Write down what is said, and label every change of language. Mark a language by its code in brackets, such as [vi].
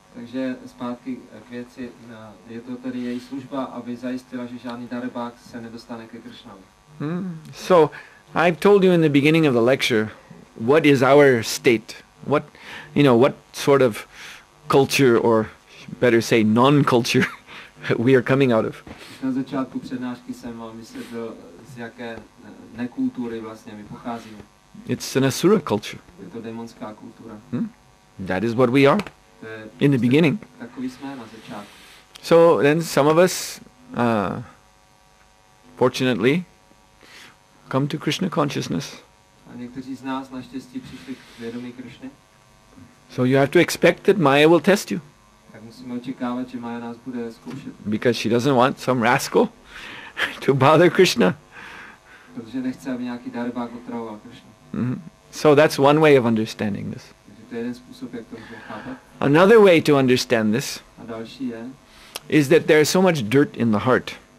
[cs] Takže zpátky k věci, je to tedy její služba, aby zajistila, že žádný darebák se nedostane ke Krishna. [en] So I've told you in the beginning of the lecture, what is our state? What, you know, what sort of culture, or better say non-culture, we are coming out of? [cs] Na začátku přednášky jsem vám vysvětlil, z jaké nekultury vlastně my pocházíme. [en] It's an asura culture. [cs] Je to démonská kultura. [en] That is what we are in the beginning. [cs] Takový jsme na začátku. [en] So then some of us, fortunately, come to Krishna consciousness. [cs] A někteří z nás naštěstí přišli k vědomí Krishna. [en] So you have to expect that Maya will test you. [cs] Tak musíme očekávat, že Maya nás bude zkoušet. [en] Because she doesn't want some rascal to bother Krishna. [cs] Protože nechce, aby nějaký darebák otravoval Krishna. [en] So that's one way of understanding this. [cs] Takže to je jeden způsob, jak to můžeme chápat. [en] Another way to understand this is that there is so much dirt in the heart.